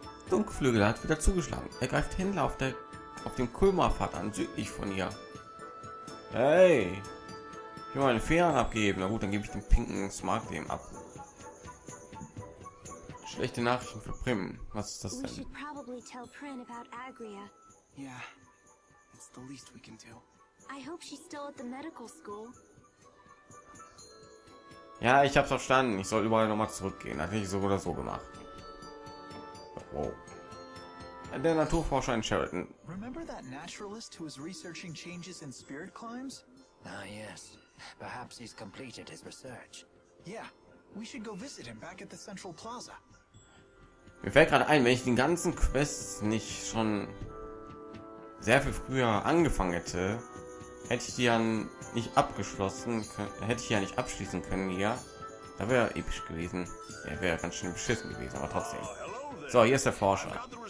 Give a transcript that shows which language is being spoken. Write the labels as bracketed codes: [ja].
[de] Dunkelflügel hat wieder zugeschlagen. Er greift Händler auf dem Kulmarpfad an, südlich von hier. Hey! Ich will meine Federn abgeben. Na gut, dann gebe ich den pinken Smart dem ab. Schlechte Nachrichten für Prim. Was ist das denn? [en] We should probably tell Prim about Agria. Yeah, it's the least we can do. I hope she's still at the medical school. [de] Ja, ich hab's verstanden. Ich soll überall nochmal zurückgehen. Hat nicht so oder so gemacht. Wow. Der Naturforscher in Sheraton. [en] Remember that naturalist who was researching changes in spirit climbs? Ah, yes. Perhaps he's completed his research. Yeah, we should go visit him back at the Central Plaza. [de] Mir fällt gerade ein, wenn ich den ganzen Quest nicht schon sehr viel früher angefangen hätte, hätte ich die ja nicht abgeschlossen, hätte ich ja nicht abschließen können hier. Da wäre episch gewesen. Er wäre ganz schön beschissen gewesen, aber trotzdem. So, hier ist der Forscher.